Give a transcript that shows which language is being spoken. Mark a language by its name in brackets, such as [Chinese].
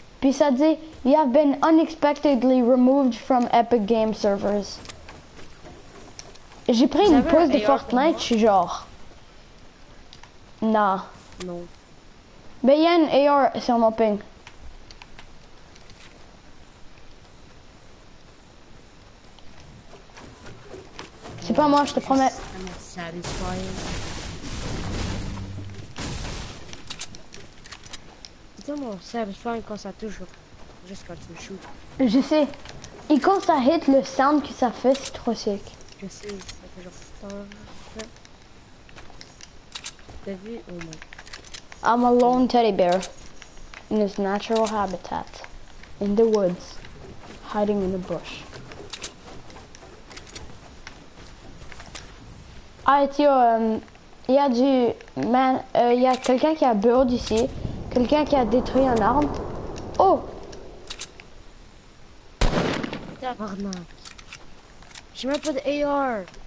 [French] Puis ça dit, [English] you have been unexpectedly removed from Epic Game servers. [French] J'ai pris une pause de Fortnite, je suis genre. [English] Nah. [French] Non. Mais il y a une AR sur mon ping. C'est pas moi, je te promets. C'est tellement satisfying quand ça touche. Juste quand tu me shoot. Je sais. Et quand ça hit, le sound que ça fait, c'est trop sick. Je sais, ça fait genre... T'as vu? Oh non. [English] I'm a lone teddy bear in his natural habitat, in the woods, hiding in a bush. [French] Ah, tu vois, y a du man, y a quelqu'un qui a build ici, quelqu'un qui a détruit un arbre. Oh! Tabarnak. J'ai même pas de AR.